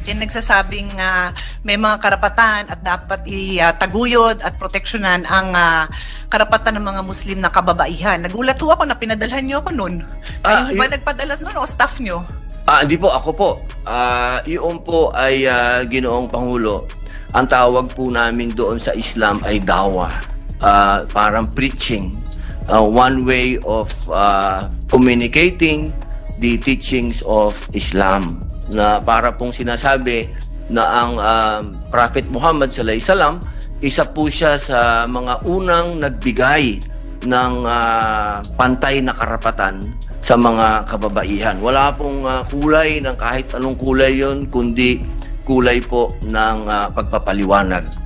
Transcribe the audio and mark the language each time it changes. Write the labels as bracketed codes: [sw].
[tl] Yan nagsasabing may mga karapatan at dapat itaguyod at proteksyonan ang karapatan ng mga Muslim na kababaihan. Nagulat ako na pinadalhan niyo ako nun. Kayo ba nagpadala nun o staff niyo? Hindi po, ako po. Yung po ay Ginoong Pangulo. Ang tawag po namin doon sa Islam ay dawa. Parang preaching. [en] One way of communicating the teachings of Islam. [tl] Na para pong sinasabi na ang Prophet Muhammad [ar] sallallahu alaihi wasallam, [tl] isa po siya sa mga unang nagbigay ng pantay na karapatan sa mga kababaihan. Wala pong kulay ng kahit anong kulay yon, kundi kulay po ng pagpapaliwanag.